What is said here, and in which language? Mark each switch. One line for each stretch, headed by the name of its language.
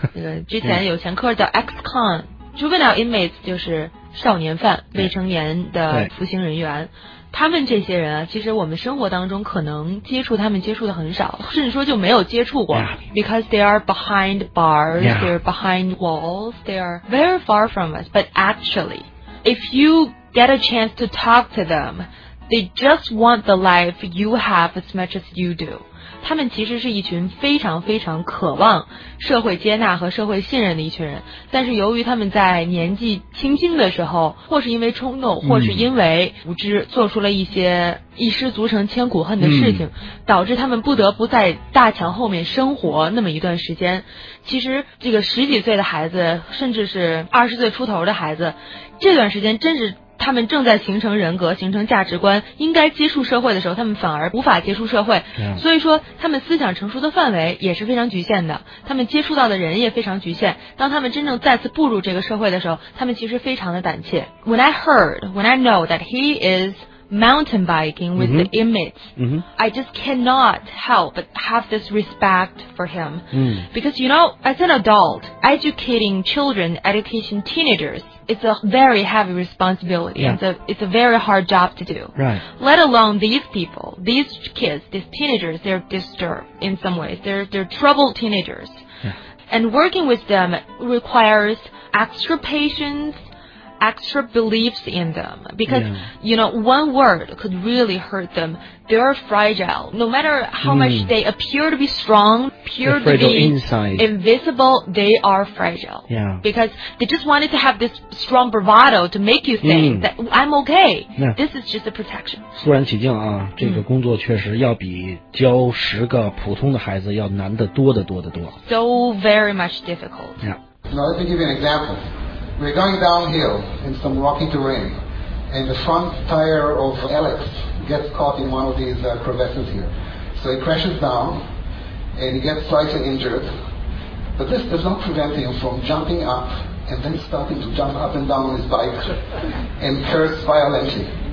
Chinese: 那个之前有前科叫
English: ex con。 Juvenile inmates
Chinese: 就是少年犯、未成年的服刑人员，他们这些人啊，其实我们生活当中可能接触他们接触的很少，甚至说就没有接触过、
English: yeah. Because they are behind bars、 yeah. They are behind walls. They are very far from us. But actually, if you get a chance to talk to them, they just want the life you have as much as you do.
Chinese: 他们其实是一群非常非常渴望社会接纳和社会信任的一群人，但是由于他们在年纪轻轻的时候，或是因为冲动，或是因为无知，做出了一些一失足成千古恨的事情，导致他们不得不在大墙后面生活那么一段时间。其实这个十几岁的孩子，甚至是二十岁出头的孩子，这段时间真是他们正在形成人格，形成价值观，应该接触社会的时候，他们反而无法接触社会、
English: yeah.
Chinese: 所以说他们思想成熟的范围也是非常局限的，他们接触到的人也非常局限，当他们真正再次步入这个社会的时候，他们其实非常的胆怯。
English: When I know that he is mountain biking with、mm-hmm. the inmates、 mm-hmm. I just cannot help but have this respect for him、 mm. Because you know, as an adult, educating children, educating teenagers,It's a very heavy responsibility.、 Yeah. It's a very hard job to do. Right. Let alone these people, these kids, these teenagers, they're disturbed in some ways. They're troubled teenagers.、 Yeah. And working with them requires extra patience, extra beliefs in them. Because,、 yeah. you know, one word could really hurt them. They're fragile. No matter how、much they appear to be strong, appear to be、 inside. Invisible, they are fragile. Yeah. Because they just wanted to have this strong bravado to make you think、that I'm okay.、 Yeah. This is just a protection.
Chinese: 肃然起敬啊，这个工作确实要比教十个普通的孩子要难得多得多得多。
English: So very much difficult. Yeah. Now let me give you an example. We're going downhill in some rocky terrain, and the front tire of Alex... gets caught in one of these、crevasses here. So he crashes down and he gets slightly injured. But this does not prevent him from jumping up and then starting to jump up and down on his bike and curse violently.